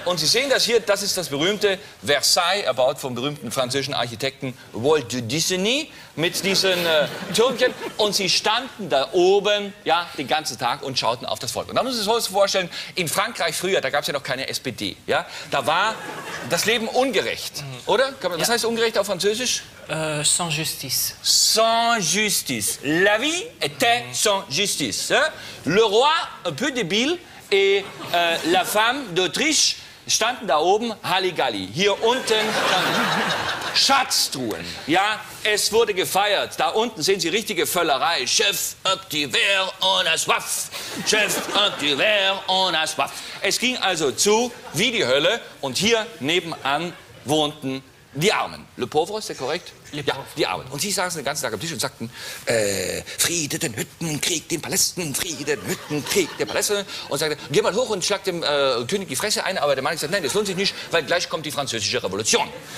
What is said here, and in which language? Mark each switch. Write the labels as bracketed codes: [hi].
[de] Und Sie sehen das hier, das ist das berühmte Versailles, erbaut vom berühmten französischen Architekten Walt Disney mit diesen Türmchen. Und sie standen da oben, ja, den ganzen Tag und schauten auf das Volk. Und da muss man sich vorstellen, in Frankreich früher, da gab es ja noch keine SPD, ja, da war das Leben ungerecht, oder? Was heißt ungerecht auf Französisch? [fr] Sans justice. Sans justice. La vie était sans justice. Le roi, un peu débile, et la femme d'Autriche [de] standen da oben, Halligalli. Hier unten Schatztruhen. Ja, es wurde gefeiert. Da unten sehen Sie richtige Völlerei. [fr] Chef, un petit verre, on a soif. Chef, un petit verre, on a soif. [de] Es ging also zu wie die Hölle. Und hier nebenan wohnten die Armen. [fr] Le pauvre, [de] ist der korrekt? Ja, die Armen. Und sie saßen den ganzen Tag am Tisch und sagten, Friede den Hütten, Krieg den Palästen, Friede den Hütten, Krieg den Palästen. Und sagte, geh mal hoch und schlag dem König die Fresse ein. Aber der Mann sagt, nein, das lohnt sich nicht, weil gleich kommt die Französische Revolution.